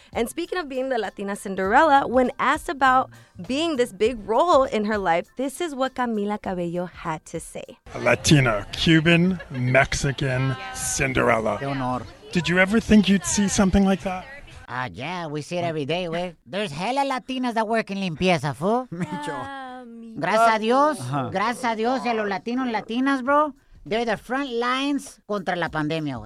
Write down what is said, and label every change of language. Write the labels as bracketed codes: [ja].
[en] And speaking of being the Latina Cinderella, when asked about being this big role in her life, this is what Camila Cabello had to say. Latina, Cuban, Mexican, Cinderella. [es] Qué honor. [en] Did you ever think you'd see something like that? Yeah, we see it every day, wey. There's hella Latinas that work in limpieza, fool. Micho. [es] Gracias a Dios, y a los latinos latinas, bro. [en] They're the front lines [es] contra la pandemia, wey.